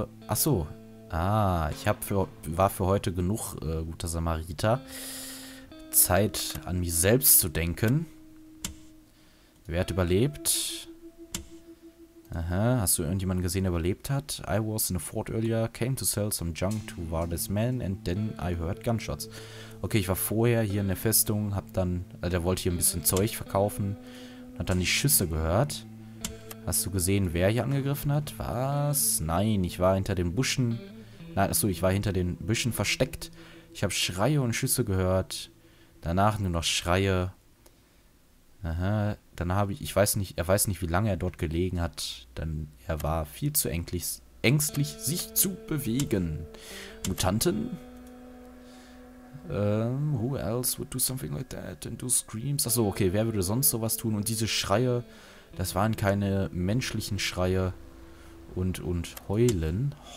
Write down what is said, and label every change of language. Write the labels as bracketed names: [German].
[German] Ich war für heute genug, guter Samariter, Zeit an mich selbst zu denken. Wer hat überlebt? Aha, hast du irgendjemanden gesehen, der überlebt hat? [English] I was in a fort earlier, came to sell some junk to Vardis man, and then I heard gunshots. [German] Okay, ich war vorher hier in der Festung, hab dann, der wollte hier ein bisschen Zeug verkaufen, und hat dann die Schüsse gehört. Hast du gesehen, wer hier angegriffen hat? Was? Nein, ich war hinter den Büschen. Ich war hinter den Büschen versteckt. Ich habe Schreie und Schüsse gehört. Danach nur noch Schreie. Aha, dann habe ich, er weiß nicht, wie lange er dort gelegen hat, denn er war viel zu ängstlich, sich zu bewegen. Mutanten? [English] Who else would do something like that and do screams? [German] Achso, okay, wer würde sonst sowas tun? Und diese Schreie, das waren keine menschlichen Schreie. Und heulen?